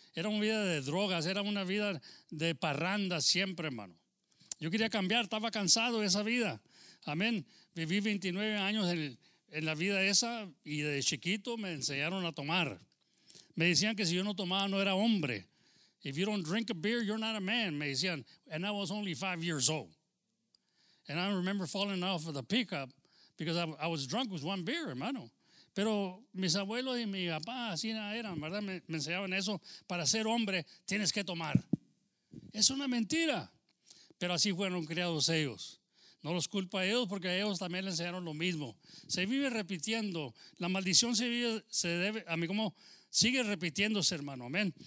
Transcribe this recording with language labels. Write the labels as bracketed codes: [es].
[es] Era una vida de drogas. Era una vida de parranda siempre, hermano. Yo quería cambiar, estaba cansado de esa vida. Amén. Viví 29 años en la vida esa y de chiquito me enseñaron a tomar. Me decían que si yo no tomaba no era hombre. [en] If you don't drink a beer, you're not a man, [es] me decían. [en] And I was only 5 years old. And I remember falling off of the pickup because I was drunk with one beer, hermano. [es] Pero mis abuelos y mi papá así eran, ¿verdad? Me enseñaban eso. Para ser hombre tienes que tomar. Es una mentira. Pero así fueron criados ellos. No los culpa a ellos porque a ellos también les enseñaron lo mismo. Se vive repitiendo. La maldición se debe, a mí como sigue repitiéndose, hermano. Amén.